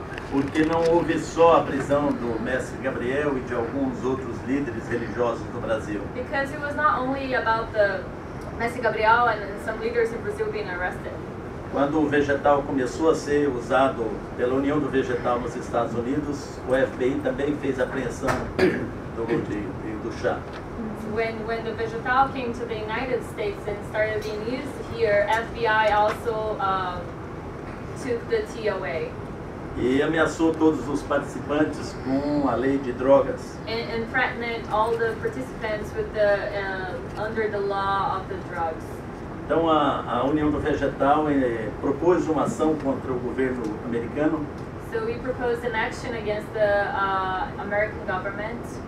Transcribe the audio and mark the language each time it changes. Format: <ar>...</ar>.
<pt>Porque não houve só a prisão do mestre Gabriel e de alguns outros líderes religiosos do Brasil.</pt> <en>Because it was not only about the mestre Gabriel and some leaders in Brazil being arrested.</en> <pt>Quando o vegetal começou a ser usado pela União do Vegetal nos Estados Unidos, o FBI também fez a apreensão do chá.</pt> <en>When the vegetal came to the United States and started being used here, FBI also took the tea away.</en> <pt>E ameaçou todos os participantes com a lei de drogas.</pt> <en>And threatened all the participants with the under the law of the drugs.</en> <pt>Então a União do Vegetal propôs uma ação contra o governo americano.</pt> <en>So we proposed an action against the American government.</en>